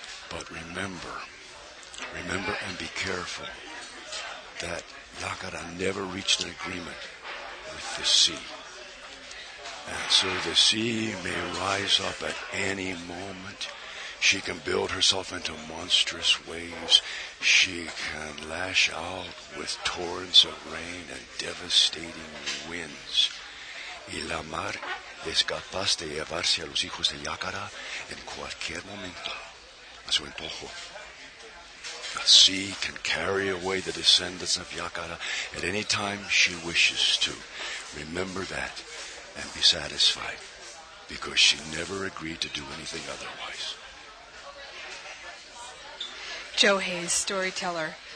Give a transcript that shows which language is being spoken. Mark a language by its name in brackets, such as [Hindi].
[English] But remember and be careful that Yakara never reached an agreement with the sea. And so the sea may rise up at any moment. She can build herself into monstrous waves. She can lash out with torrents of rain and devastating winds. [Spanish] Y la mar es capaz de llevarse a los hijos de Yakara en cualquier momento a su antojo. [English] The sea can carry away the descendants of Yakara at any time she wishes to. Remember that and be satisfied, because she never agreed to do anything otherwise. Joe Hayes, storyteller.